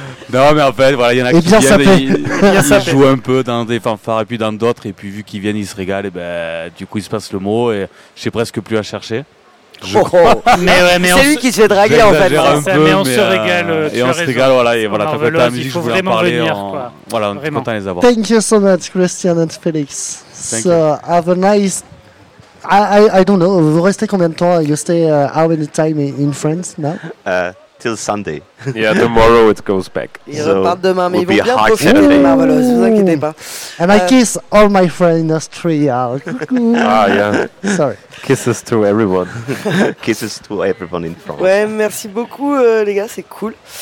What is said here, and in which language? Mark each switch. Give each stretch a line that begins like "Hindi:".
French: Non, mais en fait, voilà, il y en a qui viennent, ils jouent un peu dans des fanfares et puis dans d'autres, et puis vu qu'ils viennent, ils se régalent, et ben, du coup, il se passe le mot, et je sais presque plus à chercher. Mais ouais, mais c'est lui qui se fait draguer, en fait. On se régale, voilà. Et voilà, t'as fait la musique, je voulais en parler. Venir, voilà, on est content de les avoir.
English: Thank you so much, Christian and Felix. Have a nice. I don't know.
French: Vous restez combien de temps?
English: You stay how many time in France now? Till Sunday. Yeah, tomorrow it goes back.
French: Ils so repartent demain, mais ils vont bien profiter de Marvelous, vous inquiétez pas.
English: And I kiss all my friends in Austria. Ah, yeah. Sorry. Kisses to everyone. Kisses to everyone in France.
French: Ouais, merci beaucoup, les gars, c'est cool.